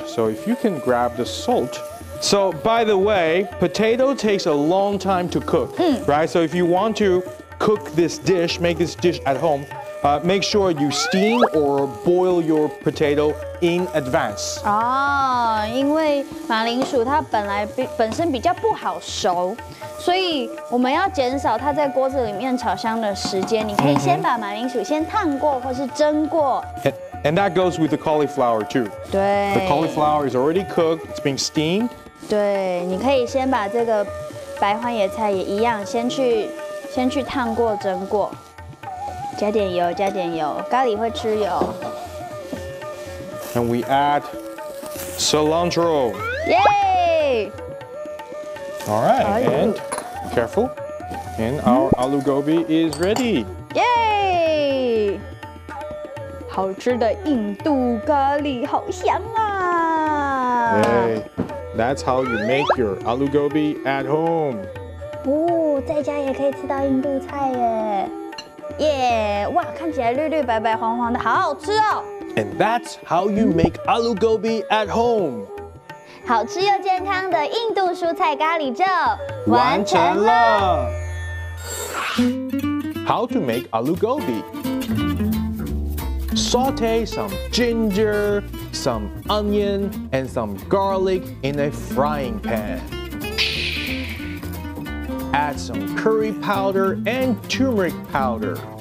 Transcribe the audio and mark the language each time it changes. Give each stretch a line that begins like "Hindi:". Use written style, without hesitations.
English: So if you can grab the salt. So by the way, potato takes a long time to cook, right? So if you want to. Cook this dish, make this dish at home. Make sure you steam or boil your potato in advance.
Chinese: 哦，因为马铃薯它本身比较不好熟，所以我们要减少它在锅子里面炒香的时间。你可以先把马铃薯先烫过或是蒸过。
English: And that goes with the cauliflower too.
Chinese: 对。
English: The cauliflower is already cooked. It's being steamed.
Chinese: 对，你可以先把这个白花野菜也一样，先去烫过、蒸过，加点油，加点油，咖喱会吃油。
English: And we add cilantro. Yay! All right, and careful. And our alu gobi is ready. Yay!
Chinese: 好吃的印度咖喱，好香啊！
English: Yay! That's how you make your alu gobi at home.
Chinese: 不、哦、在家也可以吃到印度菜耶耶、yeah, 哇看起来绿绿白白黄黄的好好吃哦
English: And that's how you make alu gobi at home
Chinese: 好吃又健康的印度蔬菜咖喱就完成了
English: How to make alu gobi Saute some ginger, some onion, and some garlic in a frying panAdd some curry powder and turmeric powder.